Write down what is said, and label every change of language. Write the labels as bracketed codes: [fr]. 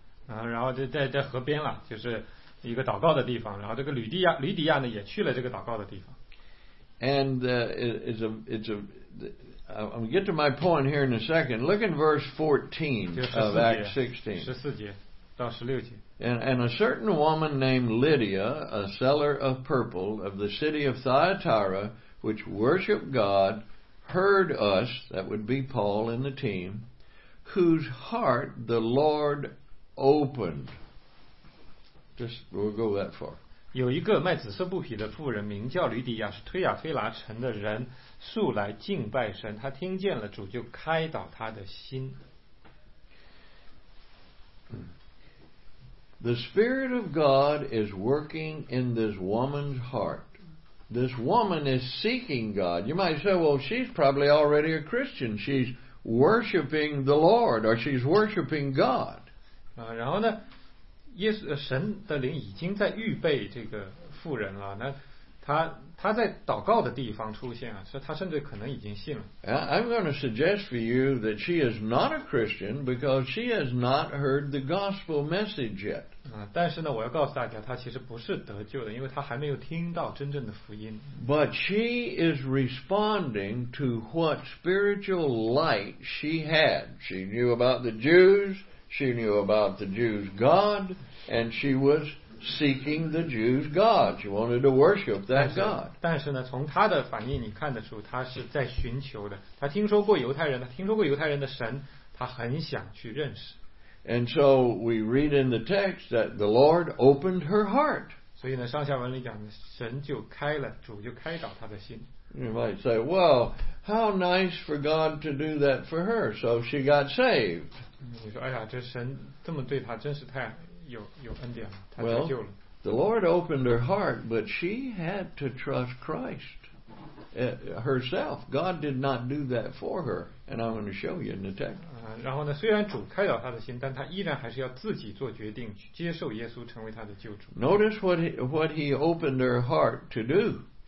[zh] 然后在河边了，就是一个祷告的地方。然后这个吕底亚呢，也去了这个祷告的地方。 [en] And it's a I'm get to my point here in a second. Look in verse 14 of Acts 16. [zh] 十四节到十六节。 [en] And a certain woman named Lydia, a seller of purple of the city of Thyatira, which worshiped God, heard us, that would be Paul and the team, whose heart the Lord opened. Just, we'll go that far. [zh] 有一个卖紫色布匹的妇人名叫吕底亚，是推亚推拉城的人，素来敬拜神，她听见了主就开导她的心。 [en] The Spirit of God is working in this woman's heart. This woman is seeking God. You might say, well, she's probably already a Christian. She's worshiping the Lord, or she's worshiping God. [zh] 然后呢，耶稣神的灵已经在预备这个妇人了。那她在祷告的地方出现啊，所以她甚至可能已经信了。 [en] I'm going to suggest for you that she is not a Christian because she has not heard the gospel message yet. [zh] 但是呢，我要告诉大家，她其实不是得救的，因为她还没有听到真正的福音。 [en] But she is responding to what spiritual light she had. She knew about the Jews, she knew about the Jews' God, and she was seeking the Jews' God. She wanted to worship that God. [zh] 但是呢，从他的反应你看得出，他是在寻求的。他听说过犹太人的神，他很想去认识。 [en] And so we read in the text that the Lord opened her heart. [zh] 所以呢，上下文里讲，神就开了，主就开导他的心。 [en] You might say, well, how nice for God to do that for her, so she got saved. [zh] 你说，哎呀，这神这么对她，真是太有恩典了，她得救了。 [en] Well, the Lord opened her heart, but she had to trust Christ herself. God did not do that for her, and I'm going to show you in the text. [zh] 然后呢，虽然主开导她的心，但她依然还是要自己做决定，去接受耶稣成为她的救主。 [en] Notice what he opened her heart to do.